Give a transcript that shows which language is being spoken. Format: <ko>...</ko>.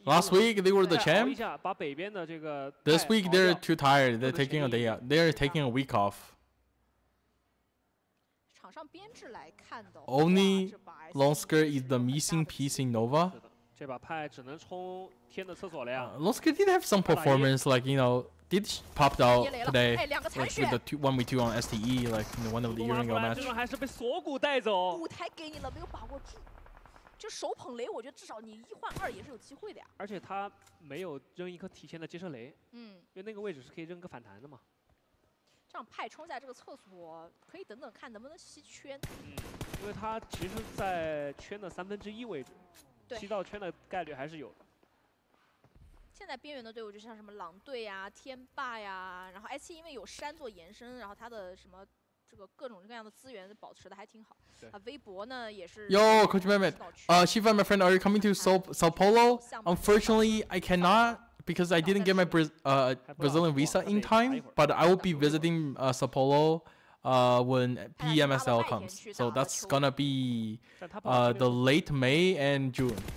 <en>Last week they were the champ.</en> <zh>把北边的这个。</zh> <en>This week they're too tired. They're taking a day. They're taking a week off.</en> <zh>编制来看的</zh> <en>Only Longskr is the missing piece in Nova.</en> <zh>这把派只能冲天的厕所了呀。</zh> <en>Longskr did have some performance, like you know, did pop out today, like with the 1v2 on STE, like in one of the Euro match.</en> <zh>这种还是被锁骨带走。舞台给你了，没有把握住。就手捧雷，我觉得至少你一换二也是有机会的呀。而且他没有扔一颗提前的接射雷，嗯，因为那个位置是可以扔个反弹的嘛。让派冲在这个厕所，可以等等看能不能吸圈。嗯，因为他其实，在圈的三分之一位置，吸到圈的概率还是有的。现在边缘的队伍就像什么狼队呀、天霸呀，然后 SE 因为有山做延伸，然后他的什么这个各种各样的资源保持的还挺好。对。啊，微博呢也是。</zh> <en>Yo, Coach Mehmet. Shivan, my friend, are you coming to Sao Paulo? Unfortunately, I cannot. Because I didn't get my Brazilian visa in time, but I will be visiting Sao Paulo when PMSL comes. So that's gonna be the late May and June.</en>